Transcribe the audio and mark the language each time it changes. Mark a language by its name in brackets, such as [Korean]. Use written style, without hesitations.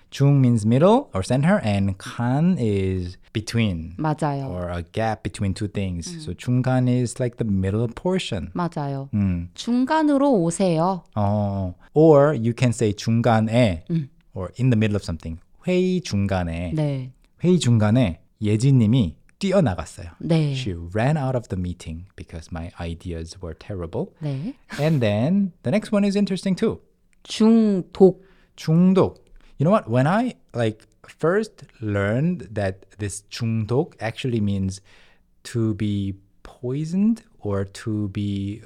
[English] 중 means middle or center, and 간 is between. [Korean] 맞아요. [English] Or a gap between two things. So 중간 is like the middle portion. [Korean] 맞아요. 중간으로 오세요. [English] Or you can say 중간에, or in the middle of something. [Korean] 회의 중간에. 네. 회의 중간에 예지님이 뛰어나갔어요. 네. [English] She ran out of the meeting because my ideas were terrible. [Korean] 네. [English] And then the next one is interesting too. [Korean] 중독. [English] 중독. You know what? When I like first learned that this 중독 actually means to be poisoned or to be